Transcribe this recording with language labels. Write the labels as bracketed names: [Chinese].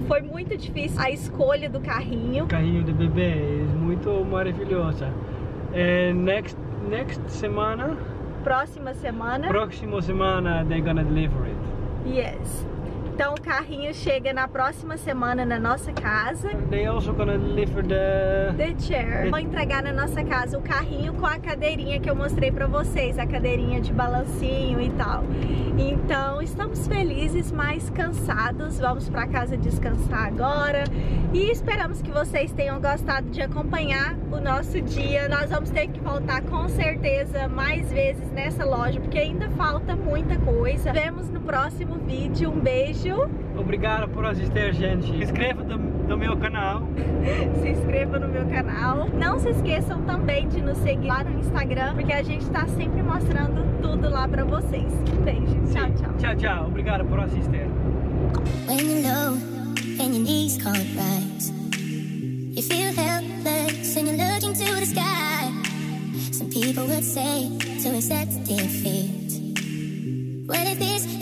[Portuguese] Foi muito difícil a escolha do carrinho. O carrinho da bebê é muito maravilhosa. Next semana? Próxima semana. Próxima semana, [English] they're gonna deliver it. Yes. [Portuguese] Então o carrinho chega na próxima semana na nossa casa. [English] They also gonna deliver the chair. [Portuguese] Vão entregar na nossa casa o carrinho com a cadeirinha que eu mostrei pra vocês, a cadeirinha de balancinho e tal. Então estamos felizes, mas cansados. Vamos pra casa descansar agora. E esperamos que vocês tenham gostado de acompanhar o nosso dia. Nós vamos ter que voltar com certeza mais vezes nessa loja, porque ainda falta muita coisa. Vemos no próximo vídeo. Um beijo. Obrigado por assistir, gente. Se inscreva no meu canal. Se inscreva no meu canal. Não se esqueçam também de nos seguir lá no Instagram, porque a gente está sempre mostrando tudo lá para vocês. Um beijo. Sim. Tchau, tchau. Tchau, tchau. Obrigado por assistir. [English] When you know, when your knees call it right, you feel helpless and you're looking to the sky. Some people would say to accept defeat. What if it